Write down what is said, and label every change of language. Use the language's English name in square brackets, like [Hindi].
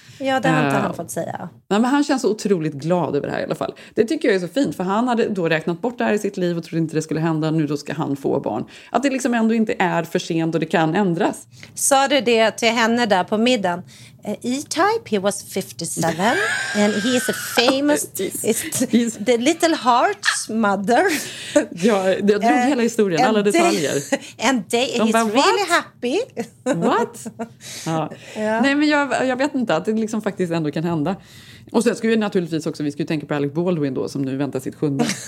[Swedish] Ja, det har inte han fått säga. Nej, men han känns så otroligt glad över det här i alla fall. Det tycker jag är så fint. För han hade då räknat bort det här i sitt liv och trodde inte det skulle hända. Nu då ska han få barn. Att det liksom ändå inte är för sent och det kan ändras. Sa du det till henne där på middagen? [English] E-Type, he was 57. And he is a famous... he's the little heart's mother. [Swedish] Ja, jag drog hela historien, alla detaljer. [English] He's really happy. What? [Swedish] Ja. Ja. Nej, men jag vet inte att det liksom faktiskt ändå kan hända. Och sen skulle vi naturligtvis också, vi skulle tänka på Alec Baldwin då, som nu väntar sitt sjunde.